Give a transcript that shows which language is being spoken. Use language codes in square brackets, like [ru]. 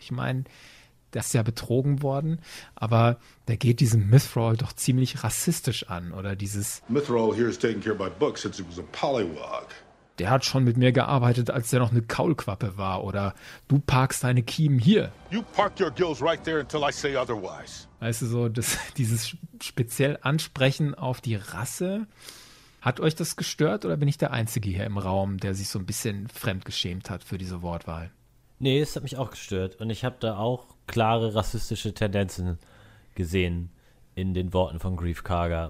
[de] Ich meine, der ist ja betrogen worden, aber der geht diesem Mithral doch ziemlich rassistisch an, oder dieses [en] Mithral here is taking care of my books since it was a polywog. [de] Der hat schon mit mir gearbeitet, als der noch eine Kaulquappe war, oder du parkst deine Kiemen hier. [en] You park your gills right there until I say otherwise. [de] Weißt du, so das, dieses speziell Ansprechen auf die Rasse, hat euch das gestört oder bin ich der Einzige hier im Raum, der sich so ein bisschen fremdgeschämt hat für diese Wortwahl? Nee, es hat mich auch gestört und ich habe da auch klare rassistische Tendenzen gesehen in den Worten von Greef Karga.